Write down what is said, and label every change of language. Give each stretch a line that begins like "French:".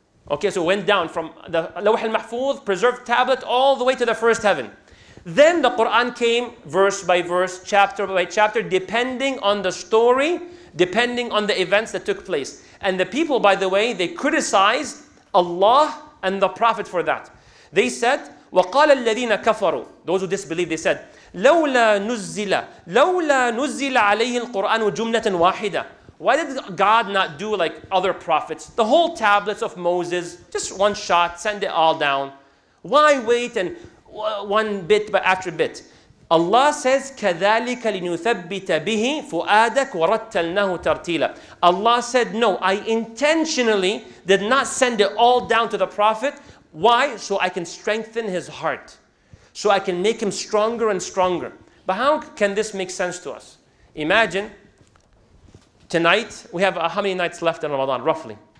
English: Okay, so it went down from the Al-Lawh al-Mahfuz, preserved tablet, all the way to the first heaven. Then the Quran came verse by verse, chapter by chapter, depending on the story, depending on the events that took place. And the people, by the way, they criticized Allah and the Prophet for that. They said,
Arabic: وَقَالَ الَّذِينَ كَفَرُوا,
English: those who disbelieve, they said,
Arabic: لَوْلَا نُزِّلَ عَلَيْهِ الْقُرْآنُ جُمْلَةً وَاحِدَةً.
English: Why did God not do like other prophets? The whole tablets of Moses, just one shot, send it all down. Why wait and one bit by after bit? Allah says,
Arabic: كَذَلِكَ لِنُثَبِّتَ بِهِ فُؤَادَكَ وَرَتَّلْنَهُ تَرْتِيلًا.
English: Allah said, no, I intentionally did not send it all down to the Prophet. Why? So I can strengthen his heart. So I can make him stronger and stronger. But how can this make sense to us? Imagine, tonight, we have how many nights left in Ramadan, roughly?